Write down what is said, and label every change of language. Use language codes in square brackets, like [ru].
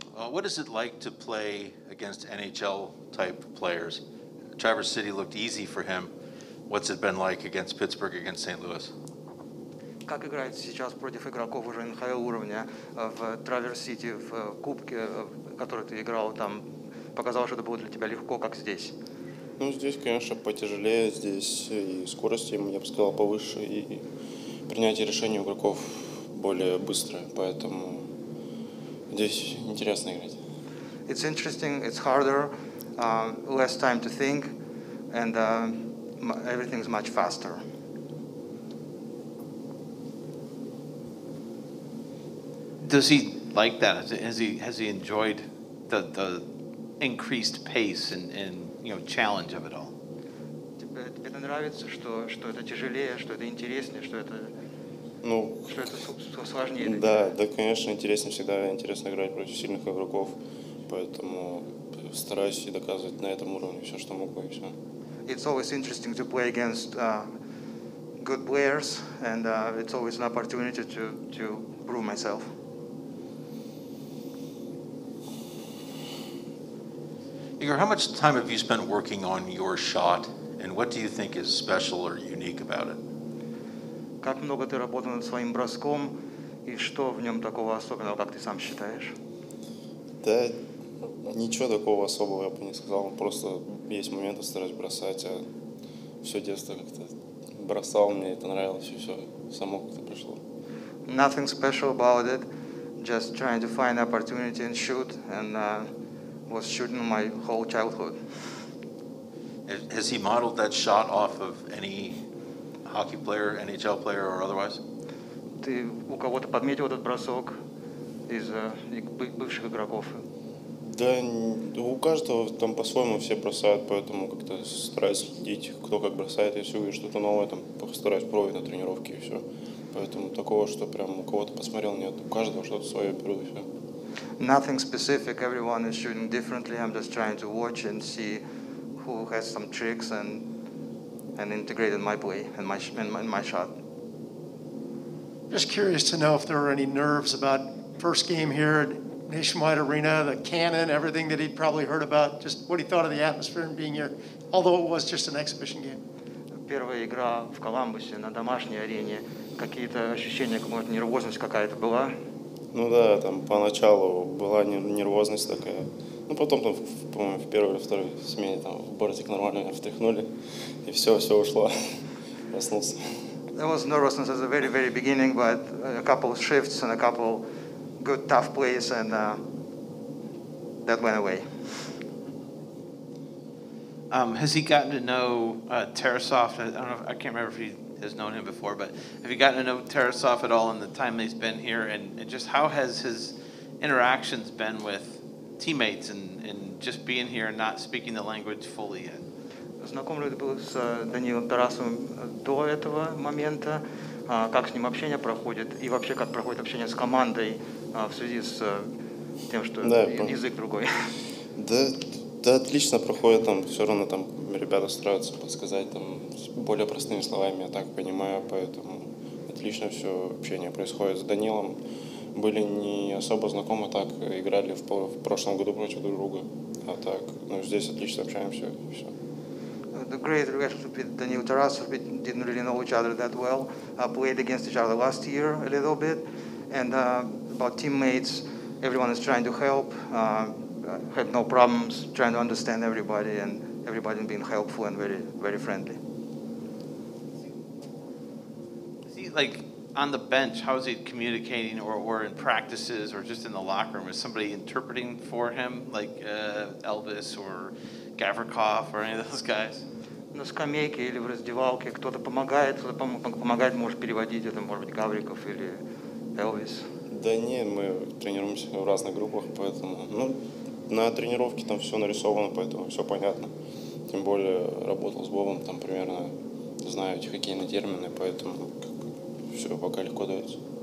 [en] What is it like to play against NHL-type players? Traverse City looked easy for him. What's it been like against Pittsburgh, against St. Louis? [ru] Как играет сейчас против игроков уже NHL уровня в Traverse City, в кубке, в которой ты играл, там показалось, что это было для тебя легко, как здесь? Ну, здесь, конечно, потяжелее. Здесь и скорости, я бы сказал, повыше, и принятие решений у игроков более быстрое, поэтому здесь интересно играть. [en] It's interesting, it's harder, less time to think, and everything's much faster. Does he like that? Has he enjoyed the increased pace and you know challenge of it all? [ru] Тебе нравится, что это тяжелее, что это интереснее, что это ну что это сложнее? Да, конечно, интереснее всегда интересно играть против сильных игроков, поэтому стараюсь и доказывать на этом уровне все, что могу и все. [en] It's always interesting to play against good players, and it's always an opportunity to prove myself. Yegor, how much time have you spent working on your shot, and what do you think is special or unique about it? [ru] Как много ты работал над своим броском, и что в нем такого особенного, как ты сам считаешь? Да, ничего такого особого я бы не сказал. Просто есть моменты, стараюсь бросать, а все детство как-то бросал, мне это нравилось, и все само как-то пришло. [en] Nothing special about it. Just trying to find opportunity and shoot, and was shooting my whole childhood. Has he modeled that shot off of any hockey player, NHL player, or otherwise? [ru] Ты у кого-то подметил этот бросок из бывших игроков? Да, у каждого там по-своему все бросают, поэтому как-то стараюсь следить, кто как бросает. Если увидишь что-то новое, там стараюсь пробовать на тренировке и все. Поэтому такого, что прям у кого-то посмотрел, нет. У каждого что-то свое беру и все. [en] Nothing specific. Everyone is shooting differently. I'm just trying to watch and see who has some tricks and integrate in my play and my shot. Just curious to know if there were any nerves about first game here at Nationwide Arena, the cannon, everything that he'd probably heard about. Just what he thought of the atmosphere and being here, although it was just an exhibition game. [ru] Первая игра в Коламбусе на домашней арене. Какие-то ощущения, какая-то нервозность какая-то была. Ну да, там поначалу была нервозность такая. Ну потом там, по-моему, в первой или второй смене там в бортик нормально меня встряхнули, и все ушло. Проснулся. [en] There was nervousness at the very, very beginning, but a couple of shifts and a couple good tough plays and that went away. Has he gotten to know Tarasov? I can't remember if he has known him before, but have you gotten to know Tarasov at all in the time he's been here, and just how has his interactions been with teammates and just being here and not speaking the language fully yet? [ru] Знаком ли ты был с Данилом Тарасовым до этого момента? Как с ним общение проходит? И вообще, как проходит общение с командой в связи с тем, что язык другой? Да, отлично проходит, там все равно там ребята стараются подсказать там более простыми словами, я так понимаю, поэтому отлично все общение происходит с Данилом. Были не особо знакомы, так играли в прошлом году против друг друга, а так, ну здесь отлично общаемся, и все. [en] The great relationship with Daniil Tarasov, we didn't really know each other that well, played against each other last year a little bit, and about teammates, everyone is trying to help. Had no problems trying to understand everybody and everybody being helpful and very, very friendly. See, like on the bench, how is he communicating or in practices or just in the locker room? Is somebody interpreting for him, like Elvis or Gavrikov or any of those guys? [ru] На скамейке или в раздевалке кто-то помогает, помогает, может переводить это, может быть, Гавриков или Элвис? Да нет, мы тренируемся в разных группах, поэтому, ну, на тренировке там все нарисовано, поэтому все понятно. Тем более работал с Бобом, там примерно знаю эти хоккейные термины, поэтому все пока легко дается.